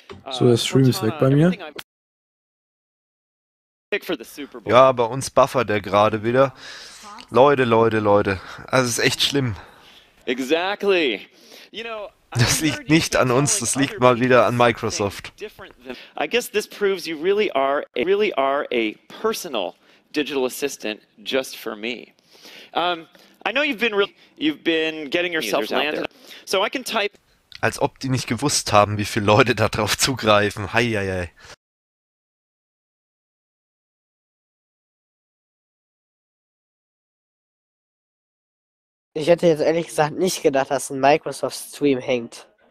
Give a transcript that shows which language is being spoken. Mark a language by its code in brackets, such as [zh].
[de] So, der Stream ist weg bei mir. Ja, bei uns buffert er gerade wieder. Leute. Also, es ist echt schlimm. [en] Exactly. [de] Das liegt nicht an uns, das liegt mal wieder an Microsoft. [en] I guess this proves you really are a personal digital assistant just for me. I know you've been getting yourself landed. So I can type. [de] Als ob die nicht gewusst haben, wie viele Leute da drauf zugreifen. Heieiei. Ich hätte jetzt ehrlich gesagt nicht gedacht, dass ein Microsoft-Stream hängt.